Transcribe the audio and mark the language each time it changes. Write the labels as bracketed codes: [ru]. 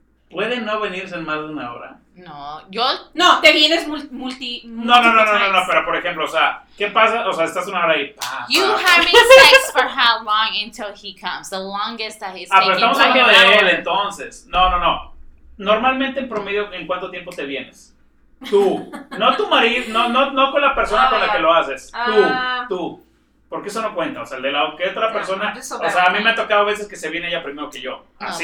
[es] ¿Puede no venirse en más de una hora? No, yo... No, te vienes multi... No, pero por ejemplo, o sea, ¿qué pasa? O sea, estás una hora ahí... [en] You having sex for how long until he comes? The longest that he's taking. [es] Ah, pero estamos hablando de él, entonces. No. Normalmente, en promedio, ¿en cuánto tiempo te vienes? Tú. No tu marido, no con la persona con la que lo haces. Tú. Porque eso no cuenta, o sea, el de la que otra persona, o sea, a mí me ha tocado veces que se viene ella primero que yo, así,